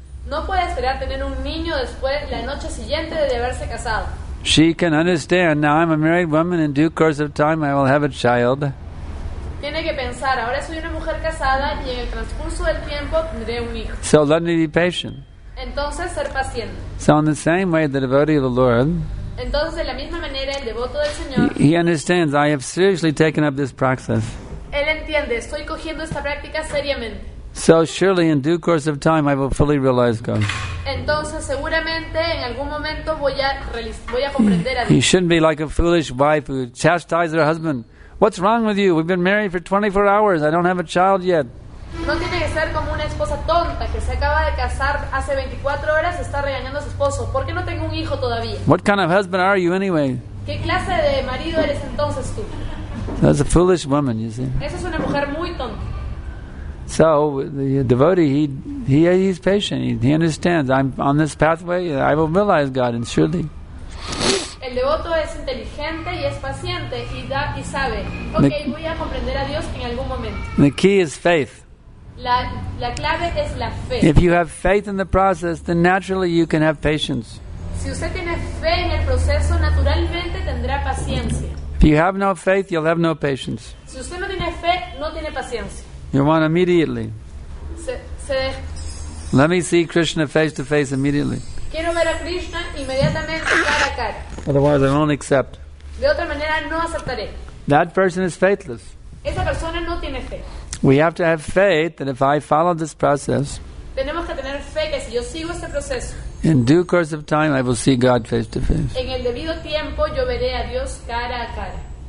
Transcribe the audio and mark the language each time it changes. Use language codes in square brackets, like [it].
[es] No puede esperar tener un niño después, la noche siguiente de haberse casado. [en] She can understand, now I'm a married woman, in due course of time I will have a child. [es] Tiene que pensar, ahora soy una mujer casada y en el transcurso del tiempo tendré un hijo. [en] So let me be patient. [es] Entonces, ser paciente. [en] So in the same way, the devotee of the Lord, [es] entonces, de la misma manera, el devoto del Señor, [en] he understands, I have seriously taken up this practice. [es] Él entiende, estoy cogiendo esta práctica seriamente. [en] So surely in due course of time I will fully realize God. [es] Entonces, seguramente, en algún momento voy a comprender a Dios. [en] You shouldn't be like a foolish wife who chastises her husband. What's wrong with you? We've been married for 24 hours. I don't have a child yet. [es] No tiene que ser como una esposa tonta que se acaba de casar hace 24 horas y está regañando a su esposo. ¿Por qué no tengo un hijo todavía? [en] What kind of husband are you anyway? [es] ¿Qué clase de marido eres entonces tú? [en] That's a foolish woman, you see. [es] Esa es una mujer muy tonta. [en] So the devotee, he's patient. He understands. I'm on this pathway. I will realize God, and surely. [es] El devoto es inteligente y es paciente y sabe, okay, voy a comprender a Dios en algún momento. [en] The key is faith. [es] La clave es la fe. [en] If you have faith in the process, then naturally you can have patience. [es] Si usted tiene fe en el proceso, naturalmente tendrá paciencia. [en] If you have no faith, you'll have no patience. [es] Si usted no tiene fe, no tiene paciencia. [en] You want immediately. [es] Se [en] let me see Krishna face to face immediately. [es] Quiero ver a Krishna inmediatamente cara a cara. [en] Otherwise, I won't accept. [es] De otra manera, no aceptaré. [en] That person is faithless. [es] Esa persona no tiene fe. [en] We have to have faith that if I follow this process, [es] tenemos que tener fe que si yo sigo este proceso, [en] in due course of time, I will see God face to face. [es] En el debido tiempo, yo veré a Dios cara a cara.